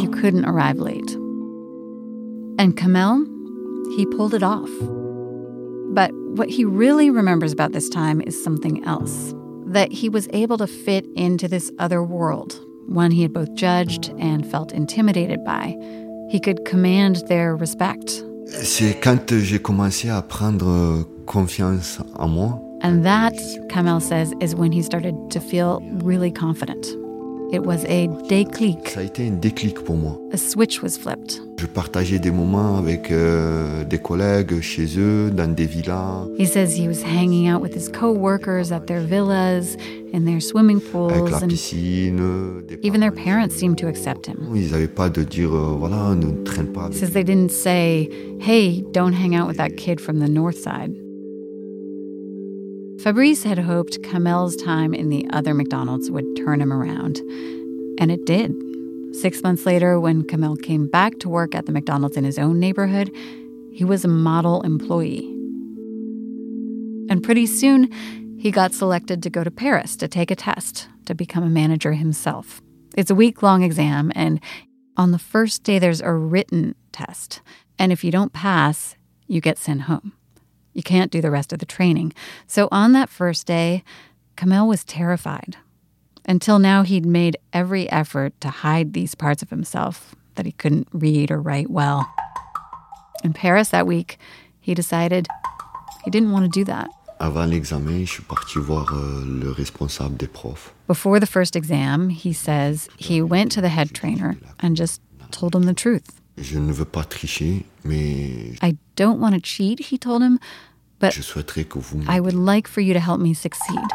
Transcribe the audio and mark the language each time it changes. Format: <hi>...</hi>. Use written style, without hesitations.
<en>You couldn't arrive late. And Kamel, he pulled it off. But what he really remembers about this time is something else. That he was able to fit into this other world, one he had both judged and felt intimidated by. He could command their respect.</en> <fr>C'est quand j'ai commencé à prendre confiance en moi.</fr> <en>And that, Kamel says, is when he started to feel really confident. It was a déclic.</en> <fr>Ça a été un déclic pour moi.</fr> <en>A switch was flipped.</en> <fr>Je partageais des moments avec des collègues chez eux, dans des villas.</fr> <en>He says he was hanging out with his co-workers at their villas, in their swimming pools.</en> <fr>Avec la piscine.</fr> <en>Even their parents seemed to accept him.</en> <fr>Ils n'avaient pas de dire, voilà, ne traîne pas.</fr> <en>He says they didn't say, hey, don't hang out with that kid from the north side. Fabrice had hoped Kamel's time in the other McDonald's would turn him around. And it did. 6 months later, when Kamel came back to work at the McDonald's in his own neighborhood, he was a model employee. And pretty soon, he got selected to go to Paris to take a test to become a manager himself. It's a week-long exam, and on the first day, there's a written test. And if you don't pass, you get sent home. You can't do the rest of the training. So on that first day, Kamel was terrified. Until now, he'd made every effort to hide these parts of himself that he couldn't read or write well. In Paris that week, he decided he didn't want to do that.</en> <fr>Avant l'examen, je suis parti voir le responsable des profs.</fr> <en>Before the first exam, he says he went to the head trainer and just told him the truth.</en> <fr>Je ne veux pas tricher, mais...</fr> <en>I don't want to cheat, he told him, but</en> <fr>je souhaiterais que vous</fr> <en>I would like for you to help me succeed.</en>